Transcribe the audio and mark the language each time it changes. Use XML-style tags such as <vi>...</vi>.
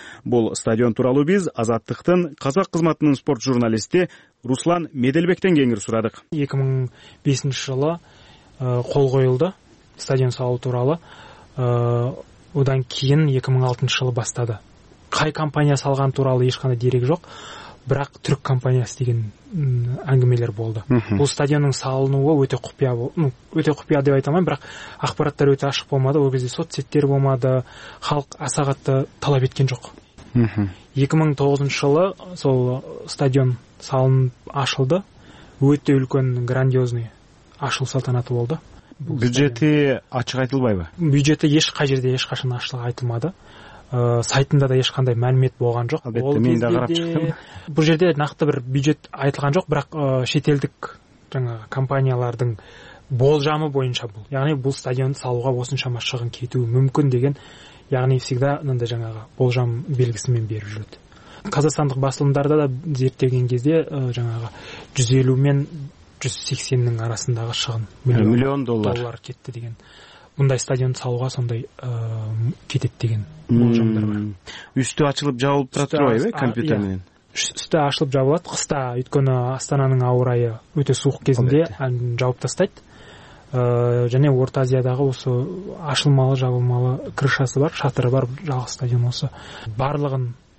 <ky>Бул стадион тууралуу биз Азаттыктын казак кызматынын спорт журналисти Руслан Меделбектен кеңири сурадык. 2005 жылы кол коюлду стадион салуу тууралуу. Одан кийин 2006 жылы баштады. Кай компания салган тууралуу эч кандай дерек жок. Бирок түрк компаниясы деген әңгімелер болды.</ky> <kk>Бұл стадионның салынуы өте құпия болды. Өте құпия деп айта алмаймын, бірақ ақпараттар өте ашық болмады. Ол кезде соцсеттер болмады. Халық аса қатты талап еткен жоқ. 2009 жылы сол стадион салынып ашылды. Өте үлкен грандиозный ашылу салтанаты болды. Бюджеті ашық айтылмайды ма? Бюджеті ешқай жерде ешқашан ашық айтылмады. Сайтында да ешқандай мәлімет болған жоқ. Албетте, ол мен де қарап шықтым. Бұл жерде нақты бір бюджет айтылған жоқ, бірақ шетелдік жаңағы компаниялардың болжамы бойынша бұл. Яғни бұл стадионды салуға осыншама шығын кетуі мүмкін деген, яғни всегда мында жаңағы болжам белгісімен беріп жүреді. Қазақстандық басылымдарда да зерттеген кезде жаңағы 150 мен 180-нің арасындағы шығын миллион доллар кетті деген.</kk> <ky>Мындай стадион салууга сондай кетет деген болжомдор бар. Үстү ачылып жабылып турат турбайбы компьютер менен? Үстү ачылып жабылат кыста, өткөнү Астананын аба ырайы өтө суук кезинде жабылып тастайт. Жана Орто Азиядагы ошо ачылмалы, жабылмалы крышасы бар, шатыры бар жалгыз стадион болсо, барлыгын</ky>